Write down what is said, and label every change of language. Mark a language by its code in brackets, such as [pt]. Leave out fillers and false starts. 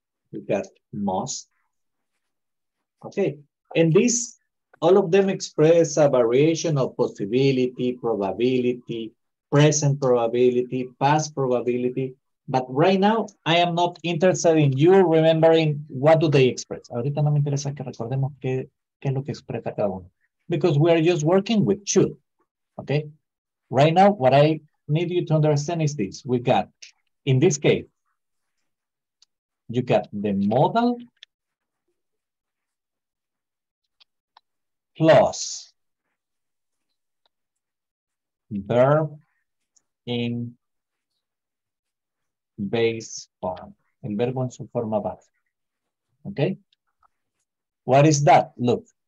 [en] You got must. Okay. And this, all of them express a variation of possibility, probability, present probability, past probability, But right now, I am not interested in you remembering what do they express. [es] Ahorita no me interesa que recordemos qué, qué es lo que expresa cada uno. [en] Because we are just working with should. Okay? Right now, what I need you to understand is this. We got, in this case, you got the modal plus verb in base form, [es] el verbo en su forma base. [en] Okay? What is that? Look.